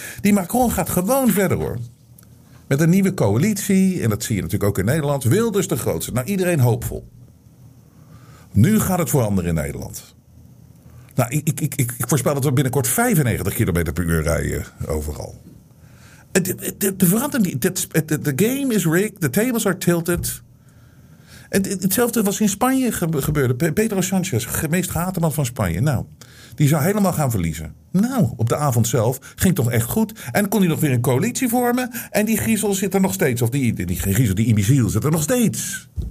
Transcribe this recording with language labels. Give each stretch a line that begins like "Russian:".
Dutch: Die Macron gaat gewoon verder hoor. Met een nieuwe coalitie, en dat zie je natuurlijk ook in Nederland, Wilders de grootste. Nou, iedereen hoopvol. Nu gaat het veranderen in Nederland. Nou, ik voorspel dat we binnenkort 95 km per uur rijden overal. Het verandert niet.
English: The game is rigged. The tables are tilted.
Dutch: Hetzelfde was in Spanje gebeurde. Pedro Sanchez, de meest gehate man van Spanje. Nou, die zou helemaal gaan verliezen. Nou, op de avond zelf ging het toch echt goed. En kon hij nog weer een coalitie vormen. En die griezel zit er nog steeds. Of die imbeziel zit er nog steeds.